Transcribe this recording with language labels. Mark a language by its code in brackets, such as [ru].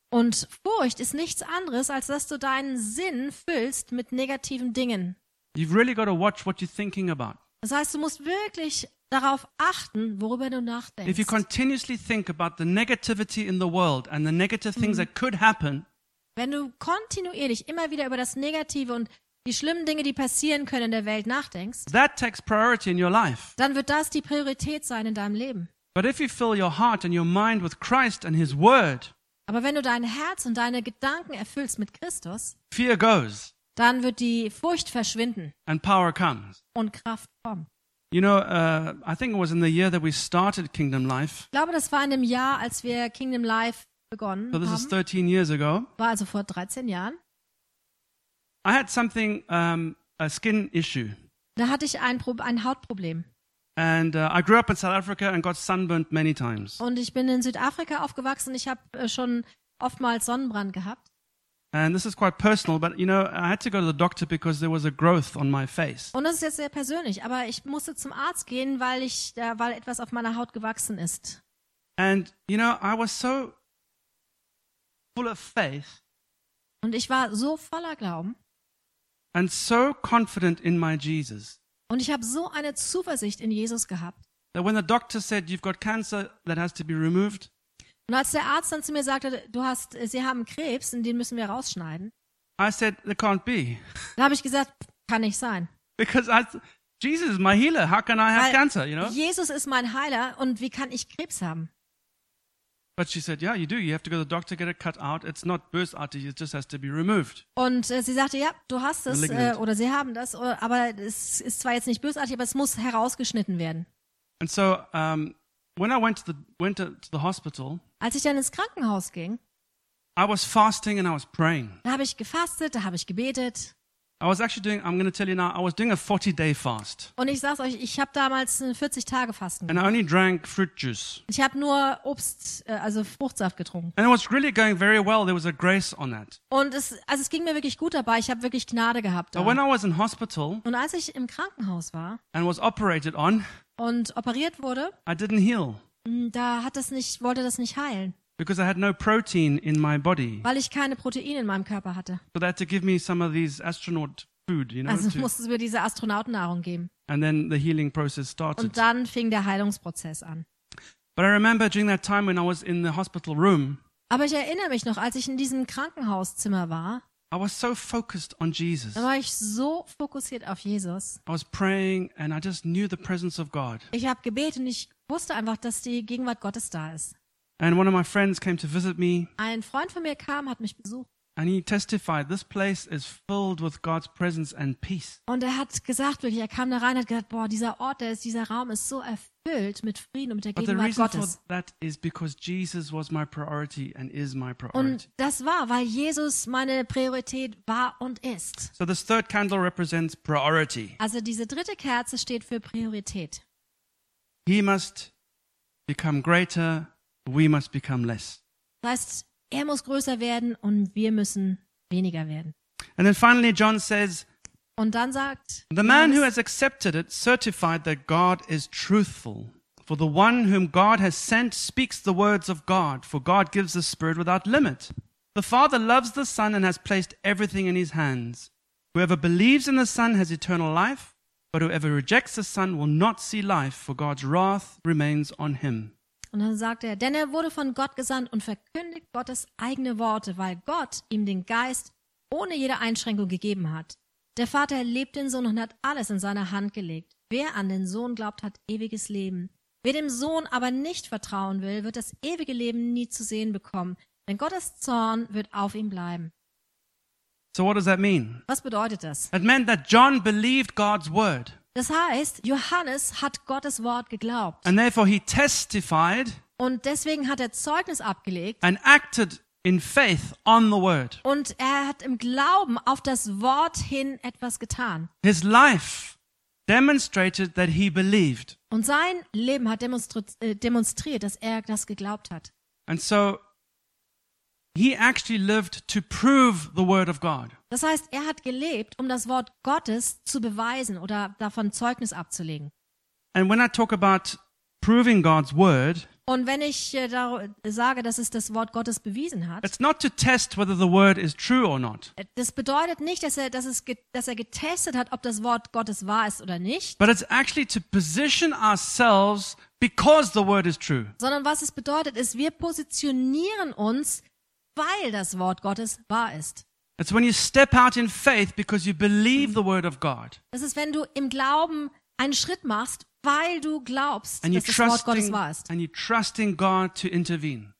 [de] Und Furcht ist nichts anderes, als dass du deinen Sinn füllst mit negativen Dingen. [en] You've really got to watch what you're thinking about. [de] Das heißt, du musst wirklich darauf achten, worüber du nachdenkst. [en] If you continuously think about the negativity in the world and the negative things that could happen, [de] wenn du kontinuierlich immer wieder über das Negative und die schlimmen Dinge, die passieren können in der Welt nachdenkst, [en] that takes priority in your life. [de] Dann wird das die Priorität sein in deinem Leben. [en] But if you fill your heart and your mind with Christ and his word, [de] aber wenn du dein Herz und deine Gedanken erfüllst mit Christus, [en] fear goes. [de] Dann wird die Furcht verschwinden. [en] And power comes. [de] Und Kraft kommt. [en] You know, I think it was in the year that we started Kingdom Life. [de] Ich glaube, das war in dem Jahr, als wir Kingdom Life begonnen haben. [en] So this is 13 years ago. [de] War also vor 13 Jahren. [en] I had something a skin issue. [de] Da hatte ich ein Hautproblem. [en] And I grew up in South Africa and got sunburned many times. [de] Und ich bin in Südafrika aufgewachsen, ich habe schon oftmals Sonnenbrand gehabt. [en] And this is quite personal, but you know, I had to go to the doctor because there was a growth on my face. [de] Und das ist jetzt sehr persönlich, aber ich musste zum Arzt gehen, weil etwas auf meiner Haut gewachsen ist. [en] And you know, I was so full of faith. [de] Und ich war so voller Glauben. [en] And so confident in my Jesus. [de] Und ich habe so eine Zuversicht in Jesus gehabt. [en] That when the doctor said you've got cancer that has to be removed. [de] Und als der Arzt dann zu mir sagte, sie haben Krebs und den müssen wir rausschneiden. [en] I said, it can't be. [de] Dann habe ich gesagt, kann nicht sein. [en] Because Jesus is my healer, how can I have [de] Weil [en] cancer, you know? [de] Jesus ist mein Heiler und wie kann ich Krebs haben? [en] But she said, yeah, you do. You have to go to the doctor, get it cut out. It's not bursartig, it just has to be removed. [de] Und sie sagte, ja, du hast es oder sie haben das, aber es ist zwar jetzt nicht bösartig, aber es muss herausgeschnitten werden. [en] And so when I went to the hospital, [de] als ich dann ins Krankenhaus ging, [en] I was fasting and I was praying. [de] Da habe ich gefastet, da habe ich gebetet. [en] I was actually doing, I'm going to tell you now, I was doing a 40-day fast. [de] Und ich sag's euch, ich habe damals einen 40-Tage-Fasten gemacht. [en] And I only drank fruit juice. [de] Ich habe nur Obst, also Fruchtsaft getrunken. [en] And it was really going very well, there was a grace on that. [de] Und es ging mir wirklich gut dabei, ich habe wirklich Gnade gehabt. [en] But when I was in hospital, [de] und als ich im Krankenhaus war, [en] and was operated on, [de] und operiert wurde, [en] I didn't heal. [de] Da wollte das nicht heilen. [en] Because I had no protein in my body. [de] Weil ich keine Proteine in meinem Körper hatte. [en] So they had to give me some of these astronaut food, you know. [de] Also musste es mir diese Astronautennahrung geben. [en] And then the healing process started. [de] Und dann fing der Heilungsprozess an. [en] But I remember during that time when I was in the hospital room. [de] Aber ich erinnere mich noch, als ich in diesem Krankenhauszimmer war. [en] I was so focused on Jesus. [de] Da war ich so fokussiert auf Jesus. [en] I was praying and I just knew the presence of God. [de] Ich habe gebetet und ich wusste einfach, dass die Gegenwart Gottes da ist. [en] And one of my friends came to visit me. [de] Ein Freund von mir kam, hat mich besucht. [en] And he testified, this place is filled with God's presence and peace. [de] Und hat gesagt, wirklich, kam da rein und hat gesagt, boah, dieser Ort, dieser Raum ist so erfüllt mit Frieden und mit der Gegenwart Gottes. [en] But the reason for that is because Jesus was my priority and is my priority. [de] Und das war, weil Jesus meine Priorität war und ist. [en] So this third candle represents priority. [de] Also diese dritte Kerze steht für Priorität. [en] He must become greater. We must become less. [de] Das heißt, muss größer werden und wir müssen weniger werden. [en] And then finally John says, [de] und dann sagt [en] the man who has accepted it certified that God is truthful. For the one whom God has sent speaks the words of God, for God gives the Spirit without limit. The Father loves the Son and has placed everything in his hands. Whoever believes in the Son has eternal life, but whoever rejects the Son will not see life, for God's wrath remains on him. [de] Und dann sagt er, denn er wurde von Gott gesandt und verkündigt Gottes eigene Worte, weil Gott ihm den Geist ohne jede Einschränkung gegeben hat. Der Vater liebt den Sohn und hat alles in seine Hand gelegt. Wer an den Sohn glaubt, hat ewiges Leben. Wer dem Sohn aber nicht vertrauen will, wird das ewige Leben nie zu sehen bekommen, denn Gottes Zorn wird auf ihm bleiben. [en] So what does that mean? [de] Was bedeutet das? [en] It meant that John believed God's word. [de] Das heißt, Johannes hat Gottes Wort geglaubt. [en] And therefore he testified. [de] Und deswegen hat er Zeugnis abgelegt. [en] And acted in faith on the word. [de] Und er hat im Glauben auf das Wort hin etwas getan. [en] His life demonstrated that he believed. [de] Und sein Leben hat demonstriert, dass er das geglaubt hat. [en] And so he actually lived to prove the word of God. [de] Das heißt, er hat gelebt, um das Wort Gottes zu beweisen oder davon Zeugnis abzulegen. [en] And when I talk about proving God's word, [de] und wenn ich sage, dass es das Wort Gottes bewiesen hat, [en] it's not to test whether the word is true or not. [de] Das bedeutet nicht, dass er getestet hat, ob das Wort Gottes wahr ist oder nicht. [en] But it's actually to position ourselves because the word is true. [de] Sondern was es bedeutet, ist, wir positionieren uns, weil das Wort Gottes wahr ist. [en] It's when you step out in faith because you believe the word of God. [de] Das ist, wenn du im Glauben einen Schritt machst, weil du glaubst, dass das Wort Gottes wahr ist. [en] And you trust in God to intervene.